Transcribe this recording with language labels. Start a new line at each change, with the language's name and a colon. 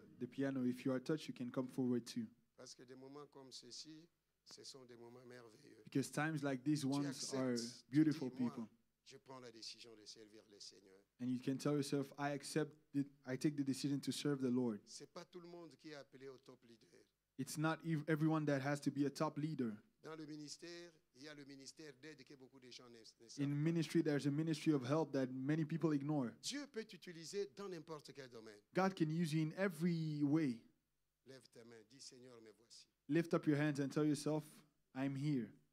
English: Piano, if you are touched, you can come forward too.
French: Parce que des moments comme ceci, ce sont des moments merveilleux.
English: Because times like these ones are beautiful people.
French: Je prends la décision de servir le Seigneur.
English: And you can tell yourself, I accept it, I take the decision to serve the Lord.
French: C'est pas tout le monde qui est appelé au top leader.
English: It's not everyone that has to be a top leader.
French: Dans le ministère, il y a le ministère d'aide que beaucoup de gens ne savent pas.
English: In ministry, there's a ministry of help that many people ignore.
French: Dieu peut t'utiliser dans n'importe quel domaine.
English: God can use you in every way.
French: Lève ta main, dis Seigneur, me voici.
English: Lift up your hands and tell yourself, I'm here.